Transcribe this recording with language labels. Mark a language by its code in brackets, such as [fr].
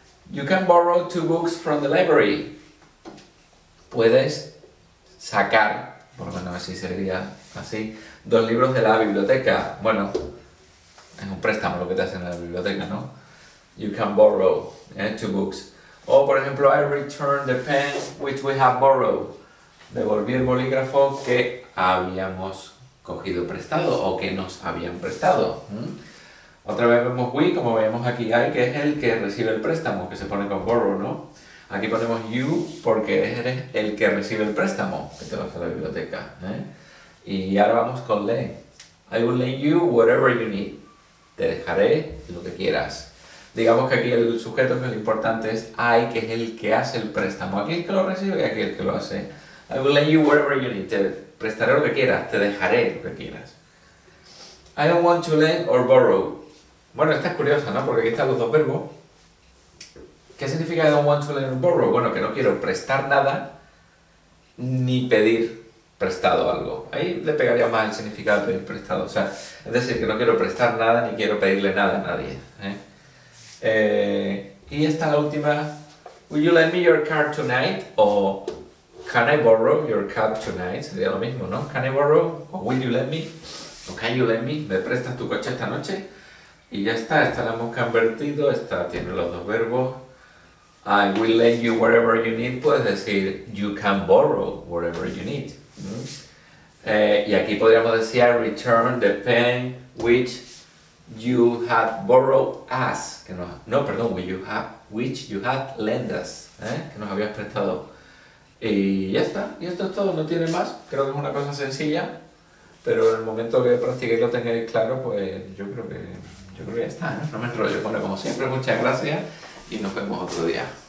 [en] You can borrow 2 books from the library. [es] ¿Puedes sacar, por lo menos así sería así, 2 libros de la biblioteca? Bueno, es un préstamo lo que te hacen en la biblioteca, ¿no? [en] You can borrow 2 books. [es] O, por ejemplo, [en] I return the pen which we have borrowed. [es] Devolví el bolígrafo que habíamos cogido prestado o que nos habían prestado. Otra vez vemos we, como vemos aquí I, que es el que recibe el préstamo, que se pone con borrow, ¿no? Aquí ponemos you porque eres el que recibe el préstamo, que te vas a la biblioteca, ¿eh? Y ahora vamos con lend. [en] I will lend you whatever you need. [es] Te dejaré lo que quieras. Digamos que aquí el sujeto que es importante es I, que es el que hace el préstamo. Aquí el que lo recibe y aquí el que lo hace. [en] I will lend you whatever you need. [es] Te prestaré lo que quieras. Te dejaré lo que quieras. [en] I don't want to lend or borrow. [es] Bueno, esta es curiosa, ¿no? Porque aquí están los dos verbos. ¿Qué significa [en] I don't want to lend or borrow? [es] Bueno, que no quiero prestar nada ni pedir prestado algo. Ahí le pegaría más el significado de pedir prestado. O sea, es decir, que no quiero prestar nada ni quiero pedirle nada a nadie, ¿eh? Y esta es la última. [en] Will you lend me your car tonight? O Can I borrow your cab tonight? [es] Sería lo mismo, ¿no? [en] Can I borrow? O will you let me? O can you let me? [es] ¿Me prestas tu coche esta noche? Y ya está, esta la hemos convertido, esta tiene los dos verbos. [en] I will lend you whatever you need. [es] Puedes decir, [en] you can borrow whatever you need. [es] Y aquí podríamos decir, [en] I return the pen which you had borrowed us. [es] Que no, no, perdón, [en] which you had lent us. [es] Que nos habías prestado. Y ya está, y esto es todo, no tiene más. Creo que es una cosa sencilla, pero en el momento que practiquéis lo tengáis claro, pues yo creo que ya está, ¿no? No me enrollo. Bueno, como siempre, muchas gracias y nos vemos otro día.